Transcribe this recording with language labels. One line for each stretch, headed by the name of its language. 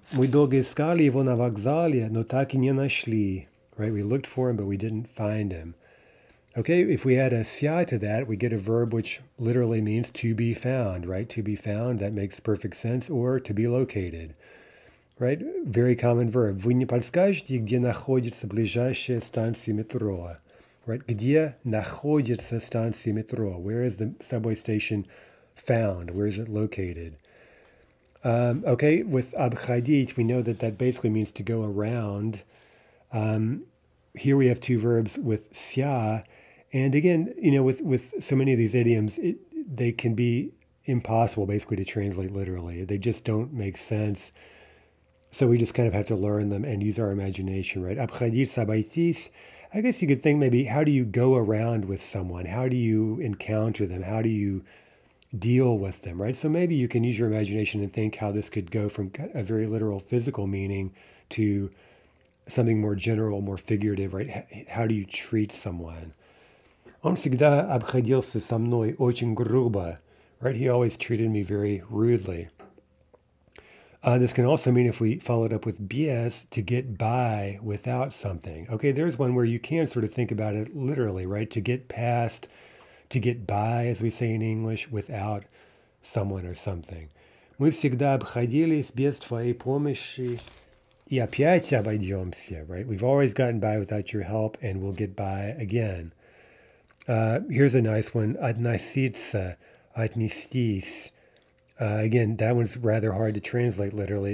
Russian: Мы долго искали его на вокзале, но так и не нашли.
English: Right? We looked for him, but we didn't find him. Okay, if we add a ся to that, we get a verb which literally means to be found, right? To be found, that makes perfect sense, or to be located. Right? Very common verb.
Russian: Вы не подскажете, где находится ближайшая станция метро?
English: Right?
Russian: Где находится станция метро?
English: Where is the subway station found? Where is it located? Okay, with abchadit, we know that that basically means to go around. Here we have two verbs with sya. And again, you know, with so many of these idioms, they can be impossible basically to translate literally. They just don't make sense. So we just kind of have to learn them and use our imagination, right? Abchadit sabaitis. I guess you could think maybe, how do you go around with someone? How do you encounter them? How do you deal with them, right? So maybe you can use your imagination and think how this could go from a very literal physical meaning to something more general, more figurative, right? How do you treat someone?
Russian: Он всегда обходился со мной очень грубо,
English: right? He always treated me very rudely. This can also mean if we follow it up with BS, to get by without something. Okay, there's one where you can sort of think about it literally, right? To get past, to get by, as we say in English, without someone or something.
Russian: Мы всегда обходились без твоей помощи и опять обойдемся,
English: right? We've always gotten by without your help and we'll get by again. Here's a nice one, относиться, отнестись. Again, that one's rather hard to translate literally.